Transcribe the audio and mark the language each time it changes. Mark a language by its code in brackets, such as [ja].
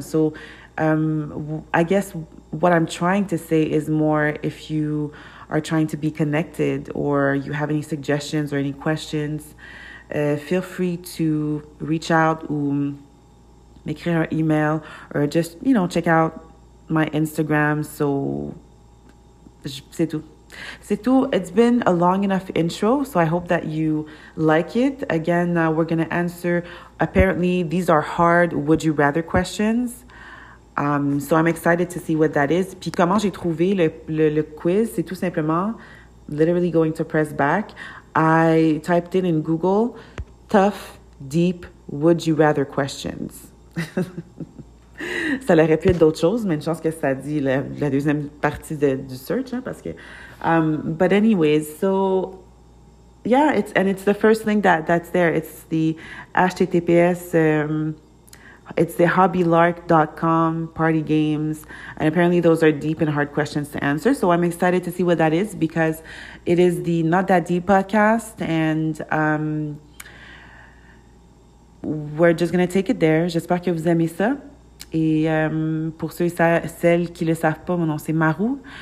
[en] So, I guess what I'm trying to say is more if you are trying to be connected, or you have any suggestions or any questions, feel free to reach out [fr] ou m'écrire un email, [en] or just, check out my Instagram. [fr] So, c'est tout. C'est tout. [en] It's been a long enough intro, so I hope that you like it. Again, we're going to answer, apparently, these are hard would you rather questions. So I'm excited to see what that is. [fr] Puis comment j'ai trouvé le quiz, c'est tout simplement [en] literally going to press back. I typed in Google, tough, deep, would you rather questions. [fr] Ça aurait pu être d'autres choses, mais une chance que ça dit la deuxième partie du search, hein, parce que. [en] But anyways, so yeah, it's the first thing that's there. It's the HTTPS. It's the hobbylark.com party games, and apparently those are deep and hard questions to answer. So I'm excited to see what that is, because it is the Not That Deep podcast, and we're just gonna take it there. [fr] J'espère que vous aimez ça. Et pour ceux et celles qui le savent pas, mon nom c'est Marou.